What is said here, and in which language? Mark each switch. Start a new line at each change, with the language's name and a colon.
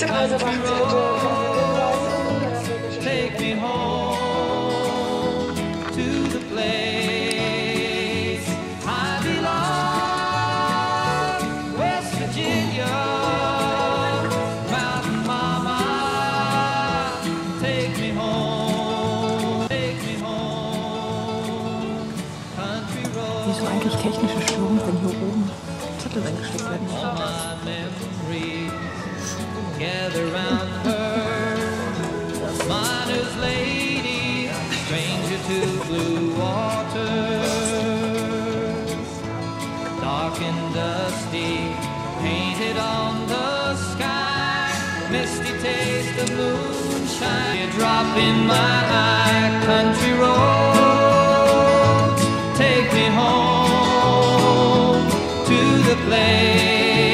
English: Take me home to the place I belong, West Virginia, Mountain Mama, take me home, country road.
German: Wieso eigentlich technische Störungen, wenn hier oben Zettel reingesteckt werden?
English: Gather round her, miner's lady, stranger to blue waters, dark and dusty, painted on the sky, misty taste of moonshine, a drop in my eye, country road, take me home to the place.